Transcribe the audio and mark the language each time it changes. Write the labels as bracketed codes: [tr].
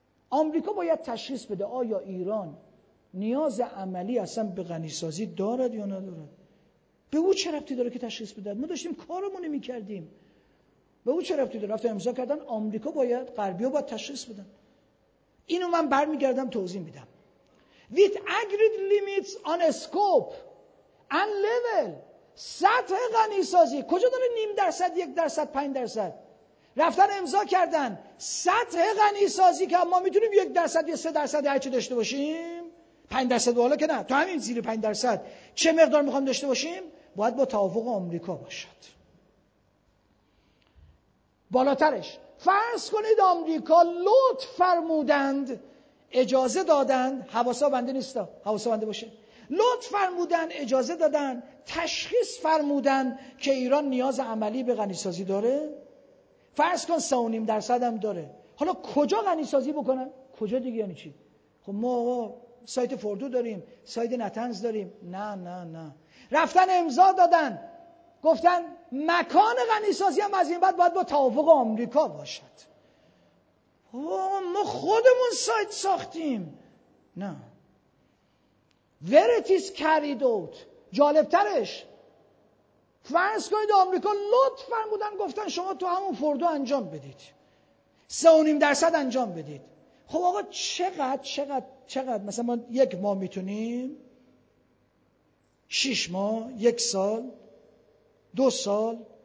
[fa] آمریکا باید تشخیص بده آیا ایران نیاز عملی اصلا به غنی‌سازی دارد یا ندارد. به او چه ربطی داره که تشخیص بده؟ ما داشتیم کارمونو میکردیم. به او چه ربطی داره؟ رفت امضا کردن. آمریکا باید، غربی‌ها باید تشخیص بدن. اینو من برمیگردم توضیح میدم. [en] With agreed limits on scope and level. [fa] سطح غنی‌سازی کجا داره؟ 0.5%، 1%، 5%. رفتن امضا کردن سطح غنی‌سازی که ما میتونیم 1% یا 3% هر چی داشته باشیم. 5% بالا که نه، تو همین زیر 5% چه مقدار میخوام داشته باشیم؟ باید با توافق آمریکا باشد. بالاترش فرض کنید آمریکا لطف فرمودند، اجازه دادند، حواسا بنده نیستا، حواسا بنده باشه، لطف فرمودند، اجازه دادند، تشخیص فرمودند که ایران نیاز عملی به غنی‌سازی داره. فرض کن 3.5% هم داره. حالا کجا غنی‌سازی بکنن؟ کجا دیگه یعنی چی؟ خب ما آقا سایت فردو داریم، سایت نتنز داریم. نه نه نه، رفتن امضا دادن، گفتن مکان غنی‌سازی هم از این بعد باید با توافق آمریکا باشد. ما خودمون سایت ساختیم. نه، [en] where it is carried out. [fa] جالبترش، فرض کنید آمریکا لطف فرمودن، گفتن شما تو همون فردو انجام بدید، 3.5% انجام بدید. خب آقا چقدر چقدر چقدر؟ مثلا ما یک ماه میتونیم، 6 ماه، 1 سال، 2 سال.